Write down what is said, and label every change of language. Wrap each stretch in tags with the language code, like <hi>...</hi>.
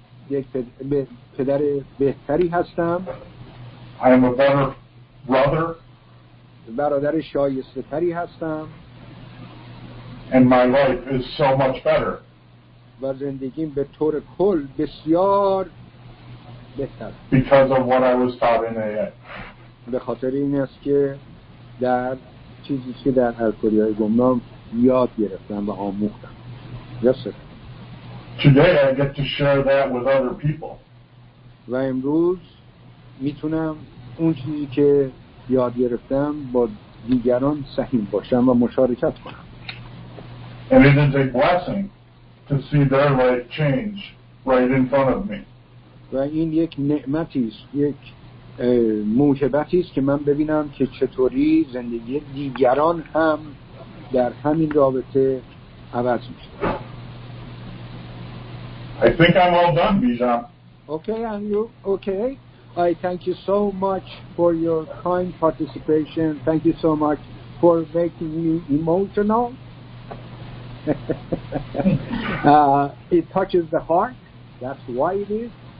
<fa>یک پدر بهتری هستم.</fa> <en>I am a better brother.</en> <fa>برادر شایسته تری هستم.</fa> <en>And my life is so much better.</en> <fa>و زندگیم به طور کل بسیار بهتر.</fa> <en>Because of what I was taught in AA.</en> <fa>به خاطر این است که در چیزی که در الکلی‌های گمنام یاد گرفتم و آموختم.</fa> <en>Yes, sir. Today I get to share that with other people.</en> <fa>و امروز میتونم اون چیزی که یاد گرفتم با دیگران سهیم باشم و مشارکت کنم.</fa> <en>And it is a blessing to see their life change right in front of me.</en> <fa>و این یک نعمتی است، یک موهبتی است که من ببینم که چطوری زندگی دیگران هم در همین رابطه عوض میشه.</fa> <en>I think I'm all done, Bijan. Okay, and you? Okay. I thank you so much for your kind participation. Thank you so much for making me emotional. It touches the heart. That's why it is.</en>